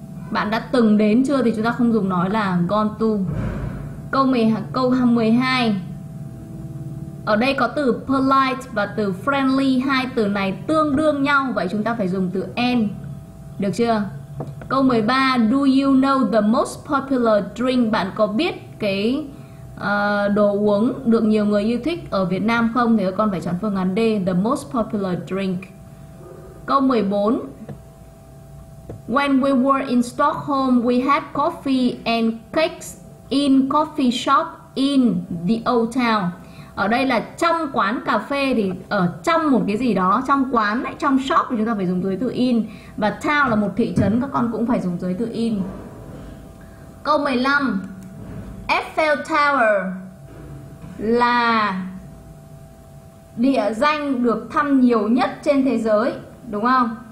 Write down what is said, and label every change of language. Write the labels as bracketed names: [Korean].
[Vietnamese] Bạn đã từng đến chưa thì chúng ta không dùng nói là [English] gone to. [Vietnamese] Câu 12. Ở đây có từ polite và từ friendly, hai từ này tương đương nhau, vậy chúng ta phải dùng từ and. Được chưa? Câu 13, [English] do you know the most popular drink? [Vietnamese] Bạn có biết cái đồ uống được nhiều người yêu thích ở Việt Nam không? Thì con phải chọn phương án D, [English] the most popular drink. [Vietnamese] Câu 14, [English] when we were in Stockholm, we had coffee and cakes in coffee shop in the old town. [Vietnamese] Ở đây là trong quán cà phê thì ở trong một cái gì đó, trong quán hay trong shop thì chúng ta phải dùng dưới từ in. Và town là một thị trấn, các con cũng phải dùng dưới từ in. Câu 15, Eiffel Tower là địa danh được thăm nhiều nhất trên thế giới, đúng không?